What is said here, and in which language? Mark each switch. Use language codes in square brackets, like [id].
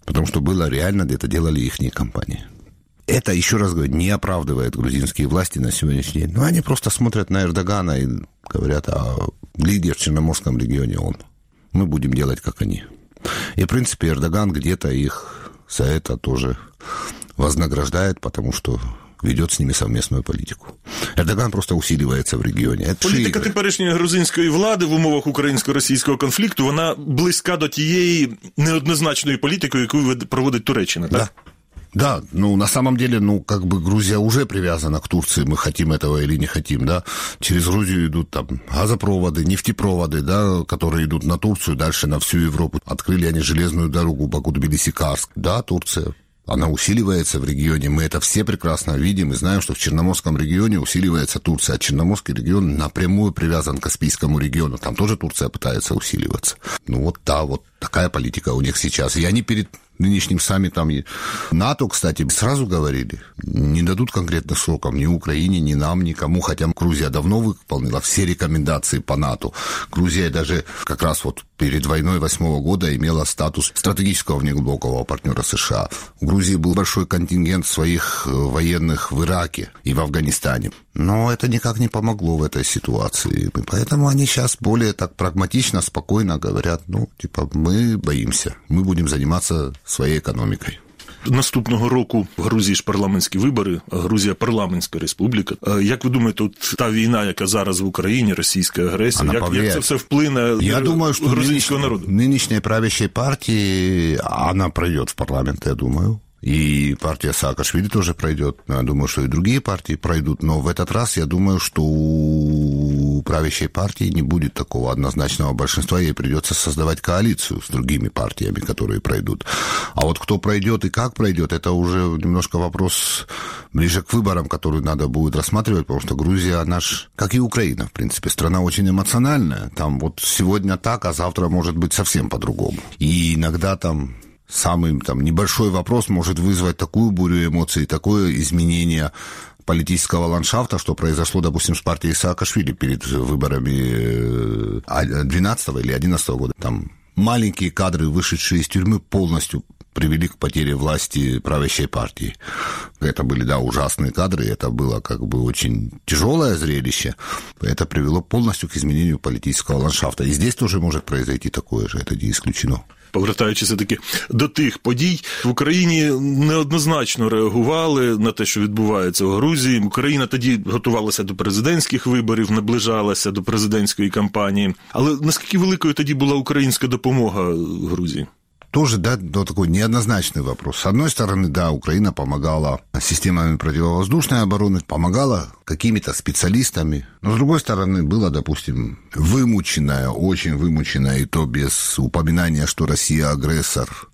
[ru] Потому что было реально, это делали их компании. Это, еще раз говорю, не оправдывает грузинские власти на сегодняшний день. Но они просто смотрят на Эрдогана и говорят, а лидер в Черноморском регионе он. Мы будем делать, как они. И, в принципе, Эрдоган где-то их за это тоже вознаграждает, потому что ведет с ними совместную политику. Эрдоган просто усиливается в регионе. Это политика [uk] теперішньої грузинської влади в умовах українсько-російського конфлікту, вона близька до тієї неоднозначної політики, яку проводить Туреччина, так? [ru] Да. Да, ну, на самом деле, ну, как бы Грузия уже привязана к Турции, мы хотим этого или не хотим, да. Через Грузию идут там газопроводы, нефтепроводы, да, которые идут на Турцию, дальше на всю Европу. Открыли они железную дорогу Баку-Тбилиси-Карск, да, Турция. Она усиливается в регионе, мы это все прекрасно видим и знаем, что в Черноморском регионе усиливается Турция, а Черноморский регион напрямую привязан к Каспийскому региону, там тоже Турция пытается усиливаться. Ну вот да, вот такая политика у них сейчас. И они перед нынешним саммитом НАТО, кстати, сразу говорили, не дадут конкретных сроков ни Украине, ни нам, никому, хотя Грузия давно выполнила все рекомендации по НАТО. Грузия даже как раз вот перед войной 2008 года имела статус стратегического внеглубокого партнера США. У Грузии был большой контингент своих военных в Ираке и в Афганистане. Но это никак не помогло в этой ситуации. И поэтому они сейчас более так прагматично, спокойно говорят, ну, типа, мы боимся, мы будем заниматься своей экономикой. [uk] Наступного року в Грузії ж парламентські вибори, Грузія – парламентська республіка. Як ви думаєте, от та війна, яка зараз в Україні, російська агресія, як це все вплине на грузинського народу? Нинішньої правящої партії, вона пройде в парламент, я думаю. [ru] И партия Саакашвили тоже пройдет. Я думаю, что и другие партии пройдут. Но в этот раз, я думаю, что у правящей партии не будет такого однозначного большинства. Ей придется создавать коалицию с другими партиями, которые пройдут. А вот кто пройдет и как пройдет, это уже немножко вопрос ближе к выборам, которые надо будет рассматривать. Потому что Грузия, она ж, как и Украина, в принципе, страна очень эмоциональная. Там вот сегодня так, а завтра может быть совсем по-другому. И иногда там самый там небольшой вопрос может вызвать такую бурю эмоций, такое изменение политического ландшафта, что произошло, допустим, с партией Саакашвили перед выборами 2012 или 2011 года. Там маленькие кадры, вышедшие из тюрьмы, полностью привели к потере власти правящей партии. Это были, да, ужасные кадры, это было как бы очень тяжелое зрелище. Это привело полностью к изменению политического ландшафта. И здесь тоже может произойти такое же, это не исключено. [uk] Повертаючись таки до тих подій, в Україні неоднозначно реагували на те, що відбувається в Грузії. Україна тоді готувалася до президентських виборів, наближалася до президентської кампанії. Але наскільки великою тоді була українська допомога Грузії? [ru] Тоже, да, такой неоднозначный вопрос. С одной стороны, да, Украина помогала системами противовоздушной обороны, помогала какими-то специалистами. Но с другой стороны, было, допустим, вымученное, очень вымученное, и то без упоминания, что Россия агрессор.